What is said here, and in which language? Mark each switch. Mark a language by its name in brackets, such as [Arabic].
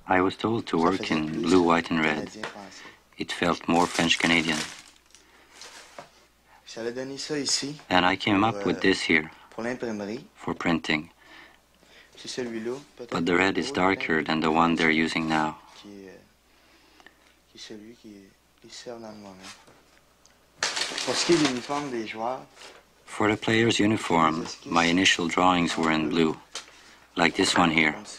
[English] I was told to work in blue, white and red. It felt more French-Canadian. [French] J'avais donné ça ici. [English] And I came up with this here. [French] Pour l'imprimerie. [English] For printing. [French] C'est celui-là. [English] But the red is darker than the one they're using now. [French] Qui est celui qui sert dans le moment. Pour ce qui est de l'uniforme des joueurs. [English] For the player's uniform, my initial drawings were in blue, like this one here.